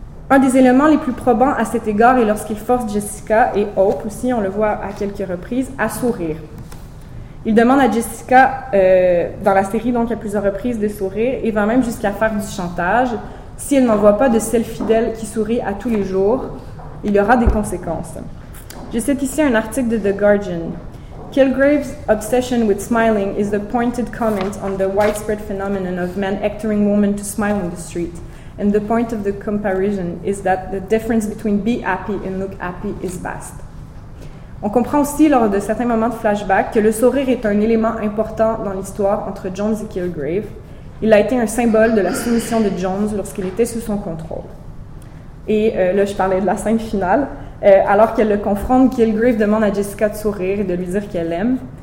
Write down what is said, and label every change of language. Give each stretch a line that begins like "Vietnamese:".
French: Un des éléments les plus probants à cet égard est lorsqu'il force Jessica et Hope, aussi on le voit à quelques reprises, à sourire. Il demande à Jessica, dans la série donc à plusieurs reprises, de sourire et va même jusqu'à faire du chantage. Si elle n'envoie pas de selfie d'elle qui sourit à tous les jours, il y aura des conséquences. Je cite ici un article de The Guardian.
English: Kilgrave's obsession with smiling is a pointed comment on the widespread phenomenon of men hectoring women to smile on the street. And the point of the comparison is that the difference between be happy and look happy is vast.
French: On comprend aussi, lors de certains moments de flashback, que le sourire est un élément important dans l'histoire entre Jones et Kilgrave. Il a été un symbole de la soumission de Jones lorsqu'il était sous son contrôle. Et là, je parlais de la scène finale. Alors qu'elle le confronte, Kilgrave demande à Jessica de sourire et de lui dire qu'elle l'aime.